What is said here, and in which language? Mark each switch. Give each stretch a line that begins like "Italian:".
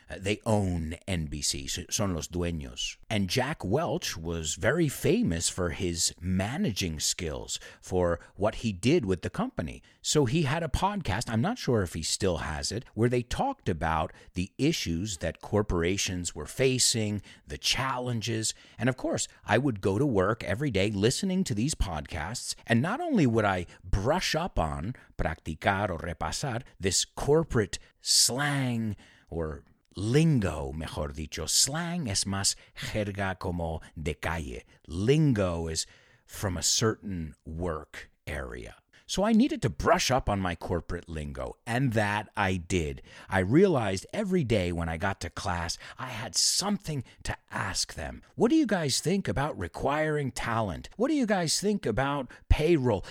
English: They own NBC,
Spanish: son los dueños.
English: And Jack Welch was very famous for his managing skills, for what he did with the company. So he had a podcast, I'm not sure if he still has it, where they talked about the issues that corporations were facing, the challenges. And of course, I would go to work every day listening to these podcasts. And not only would I brush up on,
Spanish: practicar o repasar,
English: this corporate slang or lingo,
Spanish: mejor dicho. Slang es más jerga como de calle.
English: Lingo is from a certain work area. So I needed to brush up on my corporate lingo, and that I did. I realized every day when I got to class, I had something to ask them. What do you guys think about requiring talent? What do you guys think about payroll?